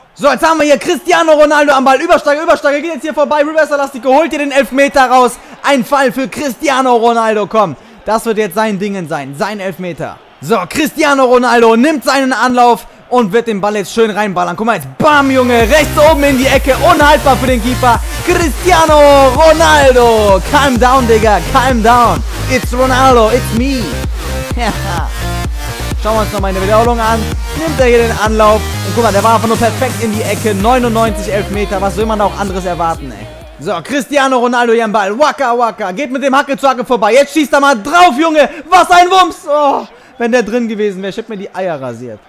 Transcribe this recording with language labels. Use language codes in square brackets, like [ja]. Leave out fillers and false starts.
[de] So, jetzt haben wir hier Cristiano Ronaldo am Ball. Übersteiger, Übersteiger, geht jetzt hier vorbei. Reverse Elastico, holt dir den Elfmeter raus. Ein Fall für Cristiano Ronaldo, komm. Das wird jetzt sein Dingen sein, sein Elfmeter. So, Cristiano Ronaldo nimmt seinen Anlauf und wird den Ball jetzt schön reinballern. Guck mal jetzt, bam, Junge, rechts oben in die Ecke, unhaltbar für den Keeper. [en] Cristiano Ronaldo, calm down, Digga, calm down. It's Ronaldo, it's me. [de] Schauen wir uns nochmal in der Wiederholung an. Nimmt er hier den Anlauf und guck mal, der war einfach nur perfekt in die Ecke. 99 Elfmeter, was soll man da auch anderes erwarten, ey. So, Cristiano Ronaldo hier am Ball, waka waka, geht mit dem Hacke zu Hacke vorbei. Jetzt schießt er mal drauf, Junge, was ein Wumms, oh. Wenn der drin gewesen wäre, ich hätte mir die Eier rasiert.